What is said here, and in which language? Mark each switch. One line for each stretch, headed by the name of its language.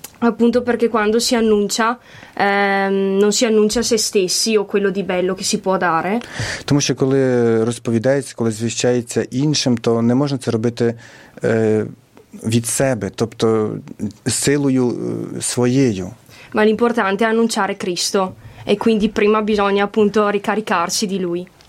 Italian: Appunto perché quando si annuncia non si annuncia se stessi o quello di bello che si può dare.
Ukrainian: Тому що коли розповідається, коли звіщається іншим, то не можна це робити від себе, тобто силою своєю.
Italian: Ma l'importante è annunciare Cristo e quindi prima bisogna appunto ricaricarsi di Lui.